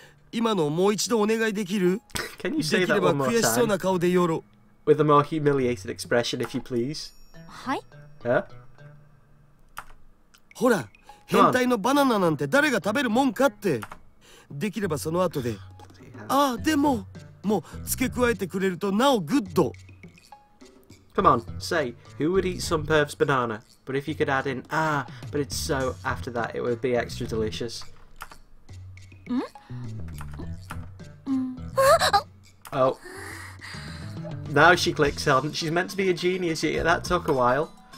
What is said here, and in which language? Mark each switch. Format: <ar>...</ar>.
<ja>今のもう一度お願いできる?</ja> <en>Can you say that one more time? With a more humiliated expression, if you please.</en> <ja>はい?</ja> <en>Huh?</en> <ja>ほら、変態のバナナなんて誰が食べるもんかって。できればその後で。ああ、でも、もう付け加えてくれるとなおグッド。</ja> <en>Come on, say, who would eat some perv's banana? But if you could add in, ah, but it's so after that, it would be extra delicious. Oh. Now she clicks on. She's meant to be a genius here. That took a while.</en>